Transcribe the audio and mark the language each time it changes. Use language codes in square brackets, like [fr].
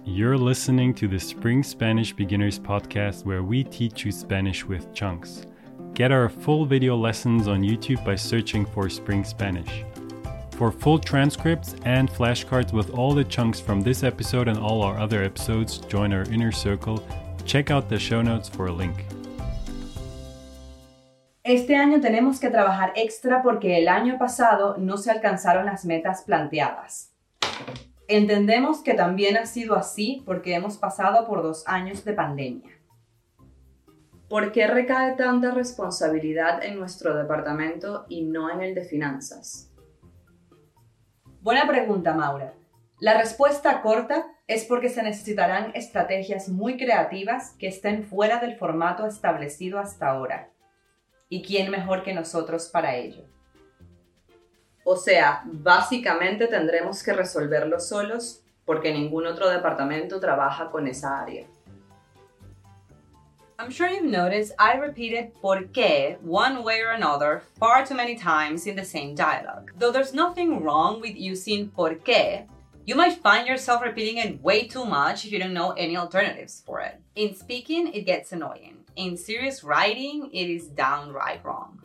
[en] You're listening to the Spring Spanish Beginners podcast where we teach you Spanish with chunks. Get our full video lessons on YouTube by searching for Spring Spanish. For full transcripts and flashcards with all the chunks from this episode and all our other episodes, join our inner circle. Check out the show notes for a link. [es] Este año tenemos que trabajar extra porque el año pasado no se alcanzaron las metas planteadas. Entendemos que también ha sido así porque hemos pasado por 2 años de pandemia. ¿Por qué recae tanta responsabilidad en nuestro departamento y no en el de finanzas? Buena pregunta, Maura. La respuesta corta es porque se necesitarán estrategias muy creativas que estén fuera del formato establecido hasta ahora. ¿Y quién mejor que nosotros para ello? O sea, básicamente tendremos que resolverlo solos porque ningún otro departamento trabaja con esa área. [en] I'm sure you've noticed I repeated por qué one way or another far too many times in the same dialogue. Though there's nothing wrong with using por qué, you might find yourself repeating it way too much if you don't know any alternatives for it. In speaking, it gets annoying. In serious writing, it is downright wrong.